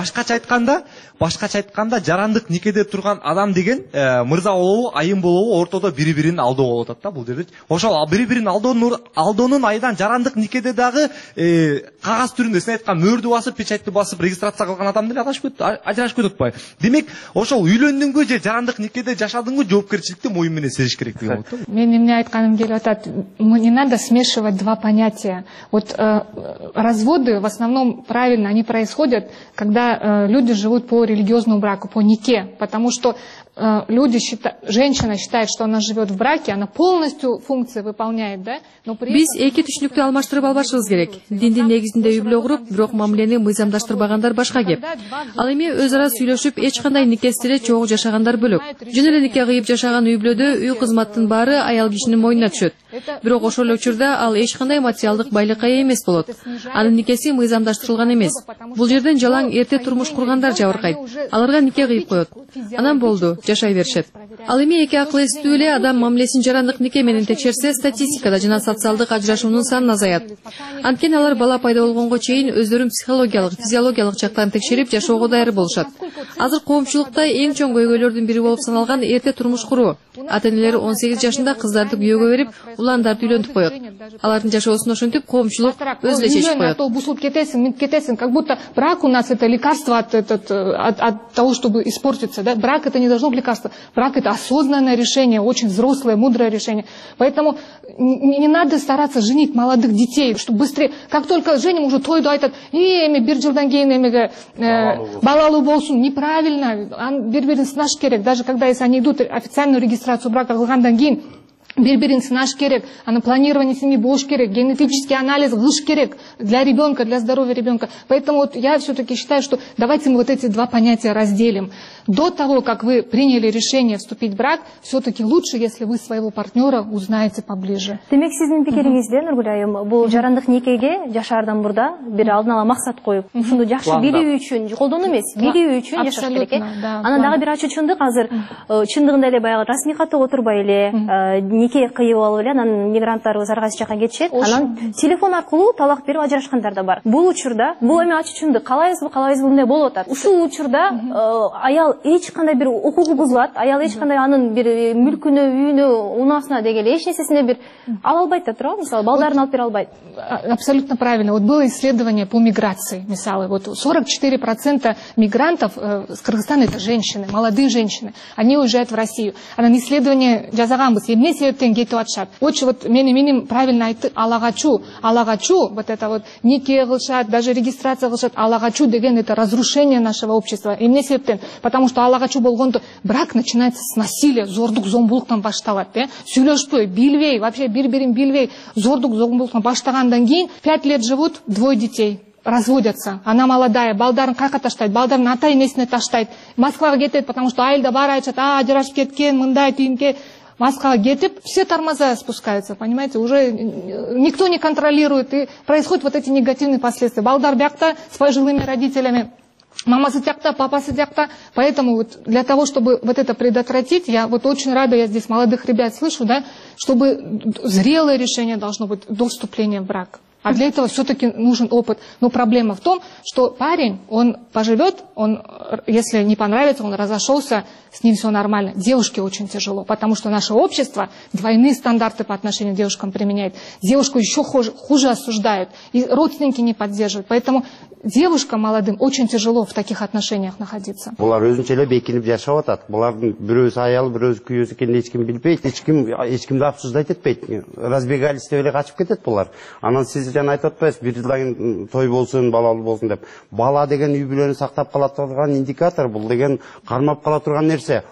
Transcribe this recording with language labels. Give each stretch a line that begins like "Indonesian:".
Kyrgyz: Башкача айтканда жарандык никеде турган адам деген мырза болобу, айым болобу ортодо бири бирин алдоо болуп атат да бул жерде. Ошол бири бирин алдоонун айынан жарандык никеде дагы кагаз түрүндө сен айткан мөрдү басып, печатты басып регистрация кылган адам деле адашып кетти, ажырашып кетип атпайбы. Демек ошол үйлөндүңбү же жарандык никеде жашадыңбы жоопкерчиликти моюн менен сезиш керектиги болот да. Мен эмне айтканым келип атат,
Russian: не надо смешивать два понятия. Вот разводы в основном правильно они происходят, когда люди живут по религиозному браку, по нике, потому что женщина считает, что она живет в браке, она полностью функции выполняет, да? Но при этом...
Kyrgyz: Биз эки түшүнүктү алмаштырып албашыбыз керек. Диндин негизинде үй бүлө куруп, бирок мамилени мыйзамдаштырбагандар башка кеп. Ал эми өз ара сүйлөшүп, эч кандай никестире чогуу жашагандар бөлөк. Жөн эле нике кыйып жашаган үй бүлөдө үй кызматтын баары аял кишинин мойнуна түшөт. Бирок ошол эле учурда ал эч кандай материалдык байлыкка ээ эмес болот. Анын никеси мыйзамдаштырылган эмес. Бул жерден жалаң эрте турмуш кургандар жабыркайт. Аларга нике кыйып коет. Анан болду. Жашай беришет. Ал эми эки акылэстүү эле адам мамилесин жарандык нике менен текшерсе статистикада жана социалдык ажырашуунун санын азаят. Анткени алар бала пайда болгонго чейин өздөрүн психологиялык, физиологиялык жактан текшерип жашоого даяр болушат. Азыр коомчулукта эң чоң көйгөйлөрдүн бири болуп саналган эрте турмуш куруу. Ата энелер 18 жашында кыздарды күйөөгө берип, уландарды үйлөнтүп коет. Алардын жашоосун ошентип коомчулук өзү эле чечип коет. Бузулуп кетесиң, минтип кетесиң,
Russian: как будто брак у нас это лекарство от того, чтобы испортиться, да? Брак это не должно быть лекарство. Брак это осознанное решение, очень взрослое, мудрое решение. Поэтому не надо стараться женить молодых детей, чтобы быстрее. Как только женим, уже
Kyrgyz: тойду айтат, эми бир жылдан кийин эмиге балалуу болсун. Неправильно. Бир-бирин сынаш керек.
Russian: Даже когда если они идут официальную регистрацию брака
Kyrgyz: кылгандан кийин, бир-бирин сынаш керек, анын
Russian: планирование семьи
Kyrgyz: болуш керек,
Russian: генетический анализ
Kyrgyz: кылыш керек
Russian: для ребенка, для здоровья ребенка. Поэтому вот я все-таки считаю, что давайте мы вот эти два понятия разделим. До того, как вы приняли решение вступить в брак, все-таки лучше, если вы своего партнера узнаете поближе.
Kyrgyz: Демек, сиздин пикириңизде, Нургүл айым, бул жарандык никеге жашардан мурда бир алдын ала максат коюп, ушуну жакшы билүү үчүн колдонуу эмес, билүү үчүн жашаш керек. Анан дагы бир ачуу чындык азыр чындыгында эле баягы расмий катып отурбай эле неке кыйып алып эле анан мигранттарыбыз ар кайсы жакка кетишет. Анан телефон аркылуу талак берип ажырашкандар да бар. Бул учурда бул эми ачык түшүндү. Каалайбызбы, каалайбызбы эмне болуп атат? Ушул учурда аял эч кандай бир укугу бузулат, аял эч кандай анын бир мүлкүнө, үйүнө, унаасына деги эле эч нерсесине бир ала албайт да туурабы, мисалы балдарын алып бере албайт.
Russian: Абсолютно правильно. Вот было исследование по миграции, мисалы, вот 44% мигрантов с Кыргызстана это женщины, молодые женщины. Они уезжают в Россию.
Kyrgyz: Анан исследование жазаганбыз, эмне себептен кетип атышат.
Russian: Очень вот
Kyrgyz: менин правильно айтты, ала качу, ала качу,
Russian: вот это вот
Kyrgyz: нике кылышат, даже регистрация кылышат, ала качу деген
Russian: это разрушение нашего общества.
Kyrgyz: Эмне себептен?
Russian: Потому что ала качу болгондо брак начинается с насилия,
Kyrgyz: зордук зомбулуктан башталат,
Russian: э?
Kyrgyz: Сүйлөшпөй, билбей, вообще бир-бирин билбей, зордук зомбулуктан баштагандан кийин
Russian: 5 лет живут, двое детей. Разводятся.
Kyrgyz: Она молодая, балдарын кайка таштайт, балдарын ата энесине таштайт. Москвага кетет,
Russian: потому что
Kyrgyz: айылда бар айтышат, а ажырашып кеткен, мындай тийинке.
Russian: Москвага кетип, все тормоза спускаются, понимаете? Уже никто не контролирует, и происходят вот эти негативные последствия.
Kyrgyz: Балдар бякта
Russian: с пожилыми родителями. Мама сидякта, папа сидякта. Поэтому вот для того, чтобы вот это предотвратить, я вот очень рада, я здесь молодых ребят слышу, да, чтобы зрелое решение должно быть до вступления в брак. А для этого все-таки нужен опыт. Но проблема в том, что парень, он поживет, он, если не понравится, он разошелся, с ним все нормально. Девушке очень тяжело, потому что наше общество двойные стандарты по отношению к девушкам применяет. Девушку еще хуже осуждают, и родственники не поддерживают. Поэтому девушкам молодым очень тяжело в таких отношениях находиться.
Kyrgyz: Булар өзүнчөлө бекинип жашап атат. Булардын бирөөсү аял, бирөөсү күйөөсү экенин эч ким билбейт, эч ким да обсуждать этпейт. Разбегались деп эле качып кетет булар. Анан сиз жана айтып атпайсыз, бир жылдан той болсун, балалуу болсун деп. Бала деген үй бүлөнү сактап кала турган индикатор, бул деген кармап кала турган нерсе.